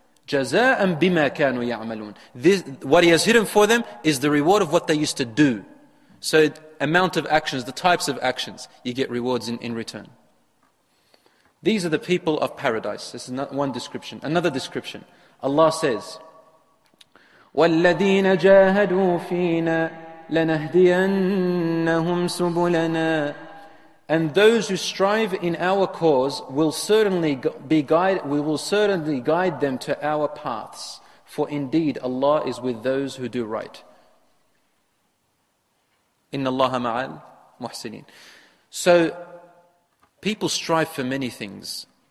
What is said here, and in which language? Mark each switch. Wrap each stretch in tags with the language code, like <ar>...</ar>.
<ar>جَزَاءً بِمَا كَانُوا يَعْمَلُونَ</ar> <en>This, what he has hidden for them is the reward of what they used to do. So amount of actions, the types of actions, you get rewards in return. These are the people of paradise. This is not one description. Another description. Allah says,</en> <ar>والذين جاهدوا فينا لنهدينهم سبلنا.</ar> <en>And those who strive in our cause will certainly be guided, we will certainly guide them to our paths. For indeed, Allah is with those who do right.</en> <ar>Inna Allaha ma'al muhsinin.</ar> <en>So, people strive for many things.</en>